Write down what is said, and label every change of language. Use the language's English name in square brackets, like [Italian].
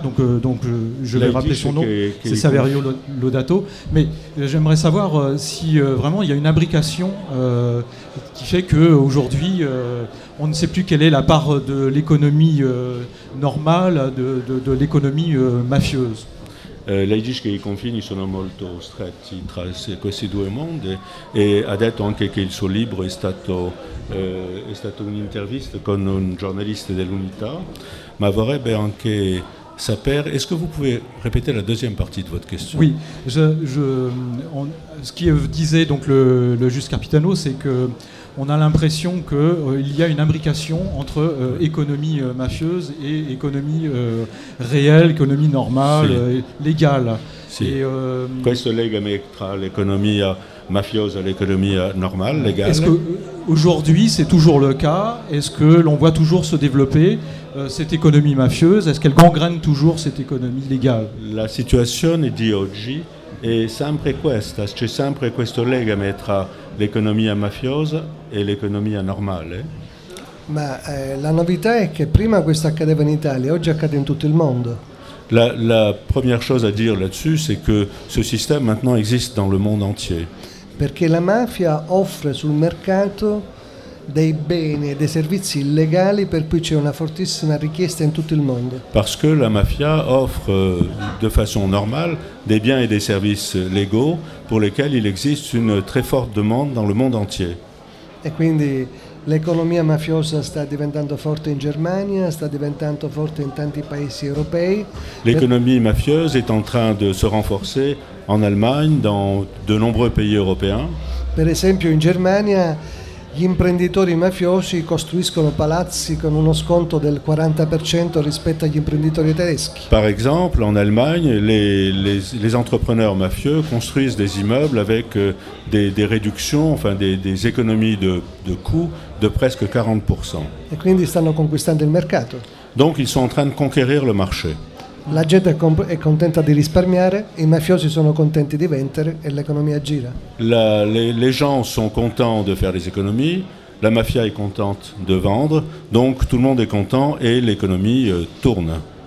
[French] Donc je vais rappeler son nom, c'est Saverio Lodato. Mais j'aimerais savoir si vraiment il y a une imbrication qui fait qu'aujourd'hui, on ne sait plus quelle est la part de l'économie normale, de l'économie mafieuse. [Italian] L'Aidish e i confini sono molto stretti tra questi due mondi e ha detto anche che il suo libro è stato un'intervista con un giornalista dell'Unità, ma vorrebbe anche sapere, [French] est-ce que vous pouvez répéter la deuxième partie de votre question? Oui, ce qui disait donc le juste Capitano, c'est que on a l'impression qu'il y a une imbrication entre économie mafieuse et économie réelle, économie normale, légale. [Italian] Si. Questo legame tra l'economia mafiosa e l'economia normale, légale. [French] Est-ce que aujourd'hui c'est toujours le cas? Est-ce que l'on voit toujours se développer cette économie mafieuse? Est-ce qu'elle gangrène toujours cette économie légale? [Italian] La situation di oggi è sempre questa. C'è sempre questo legame tra l'economia mafiosa e l'economia normale? Ma la novità è che prima questo accadeva in Italia, oggi accade in tutto il mondo. [French] La première chose à dire là-dessus, c'est que ce système maintenant existe dans le monde entier. [Italian] Perché la mafia offre sul mercato dei beni e dei servizi illegali per cui c'è una fortissima richiesta in tutto il mondo. [French] Parce que la mafia offre de façon normale des biens et des services légaux pour lesquels il existe une très forte demande dans le monde entier. [Italian] E quindi l'economia mafiosa sta diventando forte in Germania, sta diventando forte in tanti paesi europei. [French] L'économie mafieuse est en train de se renforcer en Allemagne, dans de nombreux pays européens. [Italian] Per esempio in Germania gli imprenditori mafiosi costruiscono palazzi con uno sconto del 40% rispetto agli imprenditori tedeschi. [French] Par exemple, en Allemagne, les entrepreneurs mafieux construisent des immeubles avec des réductions, enfin des économies de coûts de presque 40%. [Italian] E quindi stanno conquistando il mercato. [French] Donc ils sont en train de conquérir le marché. [Italian] La gente è contenta di risparmiare, i mafiosi sono contenti di vendere e l'economia gira. [French] Les gens sont contents de faire des économies, la mafia est contente de vendre, donc tout le monde est content et l'économie tourne.